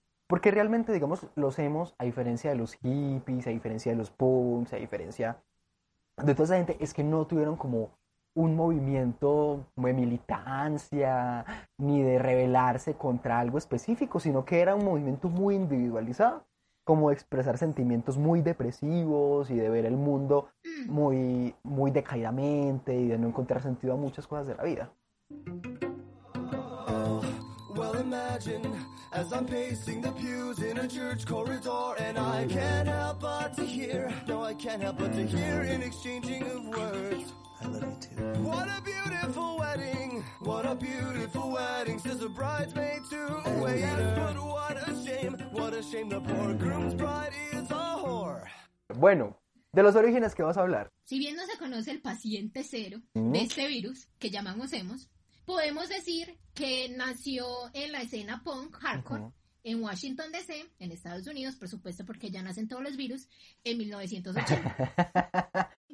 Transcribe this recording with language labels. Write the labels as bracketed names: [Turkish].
[Spanish] Porque realmente, digamos, los emos, a diferencia de los hippies, a diferencia de los punks, a diferencia de toda esa gente, es que no tuvieron como un movimiento de militancia, ni de rebelarse contra algo específico, sino que era un movimiento muy individualizado, como de expresar sentimientos muy depresivos y de ver el mundo muy, muy decaídamente y de no encontrar sentido a muchas cosas de la vida. [English] Imagine as I'm pacing the pews in a church corridor, and I can't help but to hear. No, I can't help but to hear in exchanging of words. I love you too. What a beautiful wedding! What a beautiful wedding! Says a bridesmaid to a waiter. But what a shame! What a shame! The poor groom's bride is a whore. [Spanish] Bueno, de los orígenes que vas a hablar. Si bien no se conoce el paciente cero de este virus que llamamos emos, podemos decir que nació en la escena punk, hardcore, en Washington D.C., en Estados Unidos, por supuesto, porque ya nacen todos los virus, en 1980.